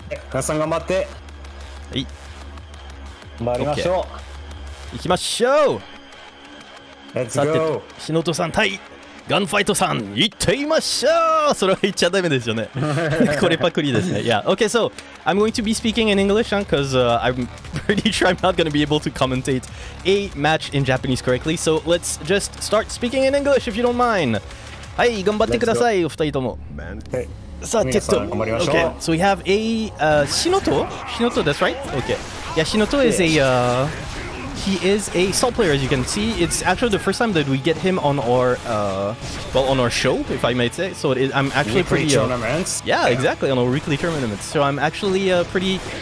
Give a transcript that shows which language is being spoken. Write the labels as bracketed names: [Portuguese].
[Japanese] 皆さん頑張って、はい、頑張りましょう、いきましょう。 [English] Let's go。 [Japanese] さて、シノトさん対ガンファイトさん、いってみましょう。それは言っちゃダメですよねこれパクリですね。 [English] Yeah, okay, so I'm going to be speaking in English because I'm pretty sure I'm not going to be able to commentate a match in Japanese correctly. So let's just start speaking in English if you don't mind. [Japanese] はい、頑張ってください、お二人とも。さあ、テスト頑張りましょう。 [English] Okay, so we have a Shinoto, that's right? Okay. Yeah, Shinoto is a He is a Sol player, as you can see. It's actually the first time that we get him on our, on our show, if I may say. So I'm actually pretty. Weekly tournaments. Yeah, exactly, on a weekly tournament. So I'm actually pretty.